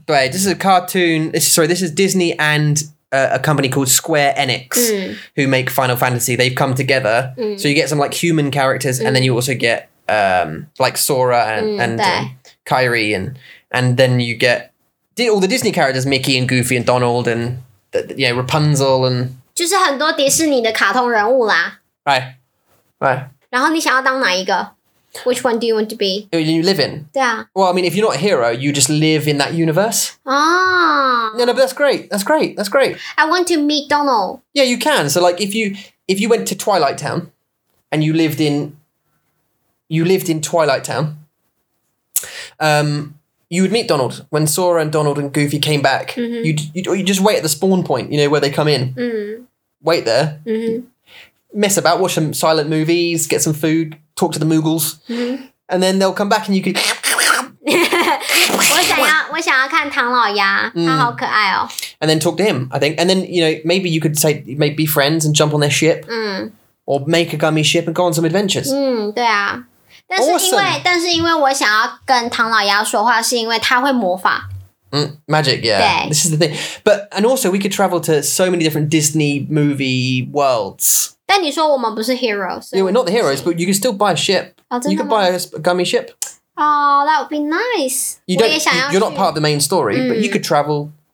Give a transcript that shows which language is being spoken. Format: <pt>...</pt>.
<zh>对，这是</zh> <en>cartoon. This is Disney and... a company called Square Enix、 mm. who make Final Fantasy. They've come together.、 Mm. So you get some like human characters、mm. and then you also get、like Sora and,、 mm, and Kairi and then you get all the Disney characters, Mickey and Goofy and Donald and yeah, Rapunzel and...</en> <zh>就是很多迪士尼的卡通人物啦。</zh> <en>Right.</en> <zh>然后你想要当哪一个?</zh> <en>Which one do you want to be? You live in?</en> <zh>对啊。</zh> <en>Well, I mean, if you're not a hero, you just live in that universe. No, but that's great. I want to meet Donald. Yeah, you can. So, like, if you went to Twilight Town and you lived in Twilight Town, you would meet Donald. When Sora and Donald and Goofy came back, mm-hmm. you'd just wait at the spawn point, you know, where they come in. Mm-hmm. Wait there. Mm-hmm. Mess about, watch some silent movies, get some food, talk to the Moogles. Mm-hmm. And then they'll come back and you could...</en> <zh>我想要看唐老鸭、嗯、他好可爱哦</zh> <en>And then talk to him, I think. And then, you know, maybe you could say, maybe be friends and jump on their ship.、嗯、 or make a gummy ship and go on some adventures.</en> <zh>嗯，对啊。但是因为、</zh> <en>awesome.</en> <zh>但是因为我想要跟唐老鸭说话是因为他会魔法。</zh> <en>嗯、magic, yeah.</en> <zh>对。</zh> <en>This is the thing. But, and also we could travel to so many different Disney movie worlds.</en> <zh>但你说我们不是 heroes.</zh> <en>Yeah, we're not the heroes, but you can still buy a ship.、</en> <zh>哦、真的吗?</zh> <en>You could buy a gummy ship. Oh, that would be nice. You're not part of the main story,、 mm. but you could travel.、</en>